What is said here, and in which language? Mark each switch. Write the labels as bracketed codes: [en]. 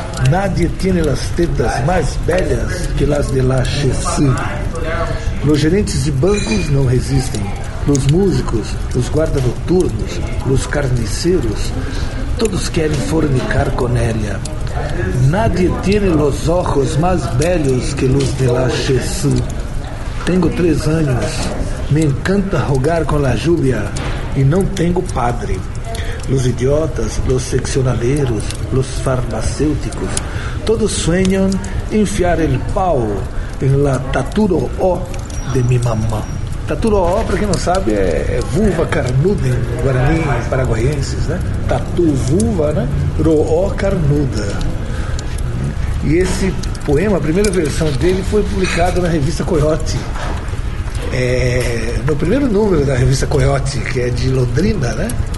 [es] Nadie tiene las tetas más bellas que las de la Chessy. Los gerentes de bancos [pt] não resistem. [es] Los músicos, los [pt] guarda-noturnos, los carniceiros, todos querem fornicar com ela. [es] Nadie tiene los ojos más bellos que los de la Chessy. Tengo 3 años. Me encanta [pt] jogar [es] con la lluvia y no tengo padre. Los idiotas, los seccionaleros, los farmacéuticos, todos sueñan [pt] enfiar el pau [es] en la taturo O de mi mamá. [pt] Taturo O, para quem não sabe, é vulva carnuda em guarani, paraguaienses, né? Tatu vulva, né? Roó carnuda. E esse poema, a primeira versão dele, foi publicado na revista Coyote. É, no primeiro número da revista Coyote, que é de Londrina, né?